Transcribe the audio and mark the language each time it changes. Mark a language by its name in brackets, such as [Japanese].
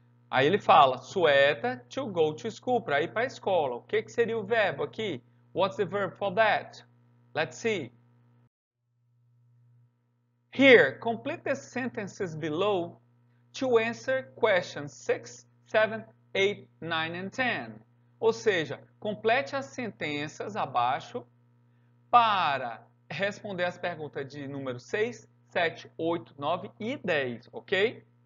[Portuguese] Aí ele fala, [English] sweater to go to school, [Portuguese] para ir para a escola. O que, que seria o verbo aqui? [English] What's the verb for that? Let's see. Here, complete the sentences below to answer questions 6, 7, 8, 9 and 10. [Portuguese] Ou seja, complete as sentenças abaixo para responder as perguntas de número 6, 7, 8, 9 e 10, ok?